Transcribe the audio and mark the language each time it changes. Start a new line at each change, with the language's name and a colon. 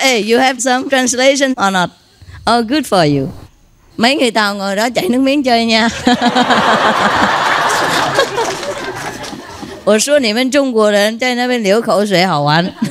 English: You have some translation or not? Oh, good for you.
Vietnamese: Mấy người Tàu ngồi đó chảy nước miếng chơi nha.
Chinese: 我说你们中国人在那边流口水好玩.